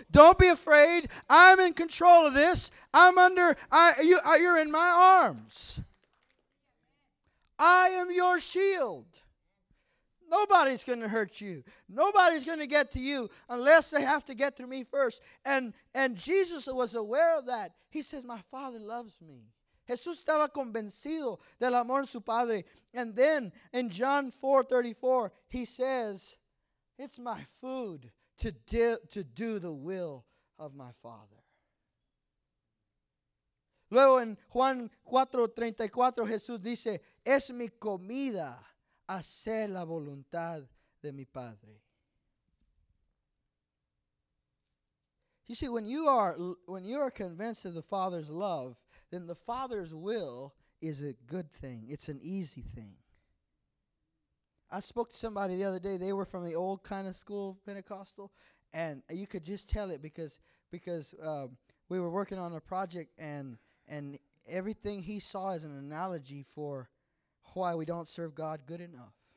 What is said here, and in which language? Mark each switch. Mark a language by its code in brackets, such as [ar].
[en] Don't be afraid. I'm in control of this. You're in my arms. I am your shield. Nobody's going to hurt you. Nobody's going to get to you unless they have to get through me first. And Jesus was aware of that. He says, my Father loves me. [es] Jesús estaba convencido del amor de su Padre. [en] And then in John 4:34, He says, it's my food to do the will of my Father. [es] Luego en Juan 4:34 Jesús dice, es mi comida hacer la voluntad de mi Padre. [en] You see, when you are convinced of the Father's love, then the Father's will is a good thing. It's an easy thing. I spoke to somebody the other day. They were from the old kind of school, Pentecostal, and you could just tell it because we were working on a project and everything he saw is an analogy for why we don't serve God good enough.